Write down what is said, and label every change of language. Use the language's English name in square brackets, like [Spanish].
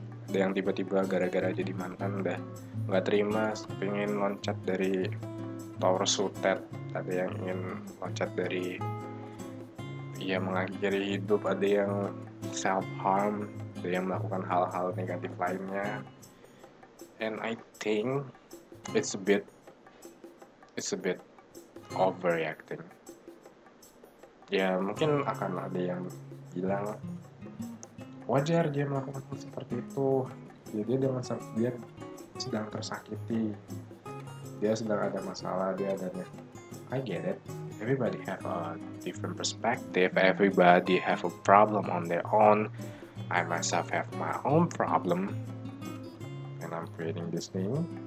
[Indonesian] Ada yang tiba-tiba gara-gara jadi mantan udah gak terima, pengen loncat dari tower sutet. Ada yang ingin loncat dari ya mengakhiri hidup, ada yang self-harm, ada yang melakukan hal-hal negatif lainnya. [English] And I think It's a bit overreacting. [Indonesian] Ya mungkin akan ada yang bilang wajar dia melakukan hal seperti itu. Jadi dia sedang tersakiti, dia sedang ada masalah, dia adanya. [English] I get it. Everybody have a different perspective. Everybody have a problem on their own. I myself have my own problem. And I'm creating this thing.